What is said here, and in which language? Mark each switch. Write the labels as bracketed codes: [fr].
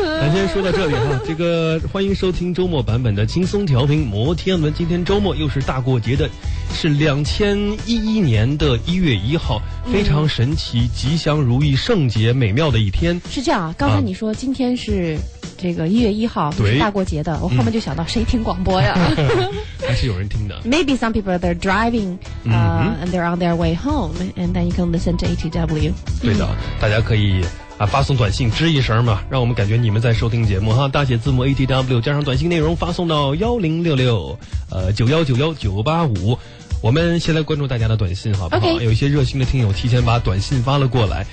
[zh] 咱先说到这里哈这个欢迎收听周末版本的轻松调频摩天轮今天周末又是大过节的是2011年的1月1号非常神奇、嗯、吉祥如意圣洁美妙的一天是这样刚才你说、啊、今天是这个1月1号不是大过节的我后面就想到谁听广播呀、嗯还是有人听的 [en] Maybe some people are driving、and they're on their way home and then you can listen to ATW [zh] 对的、嗯、大家可以、啊、发送短信吱一声嘛让我们感觉你们在收听节目哈大写字母 ATW 加上短信内容发送到10669191985我们先来关注大家的短信好不好、 [en] okay. [zh] 有一些热心的听友提前把短信发了过来